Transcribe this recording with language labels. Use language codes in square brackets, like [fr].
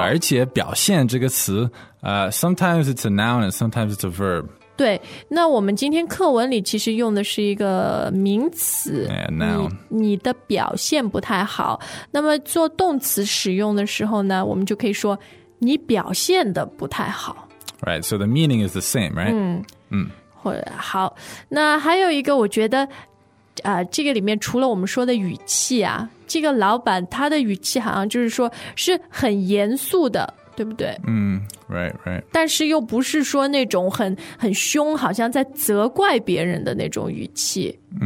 [zh] 对，而且表现这个词， [en] sometimes it's a noun and sometimes it's a verb. [zh] 对，那我们今天课文里其实用的是一个名词 [en] noun. [zh] 你的表现不太好。那么做动词使用的时候呢，我们就可以说你表现的不太好。 [en] Right, so the meaning is the same, right? [zh] 好，那还有一个我觉得这个里面除了我们说的语气啊，这个老板他的语气好像就是说是很严肃的，对不对？ [en] Right. [zh] 但是又不是说那种很凶，好像在责怪别人的那种语气。